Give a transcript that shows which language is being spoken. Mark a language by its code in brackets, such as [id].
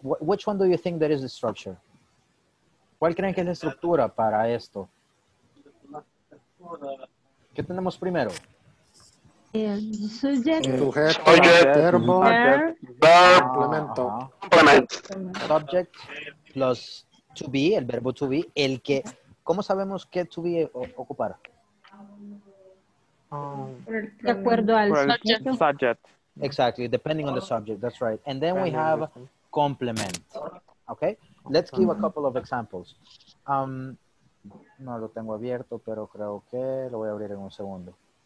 [en] Which one do you think that is the structure? [es] ¿Cuál creen que es la estructura para esto? ¿Qué tenemos primero? Sujeto, verbo, complemento. [en] Subject plus to be, el verbo to be, el que. [es] ¿Cómo sabemos qué to be ocupar? De acuerdo al [en] subject. Exactly, depending on the subject, that's right. And then we have complement. Okay? Let's give a couple of examples. [es] No lo tengo abierto, pero creo que lo voy a abrir en un segundo.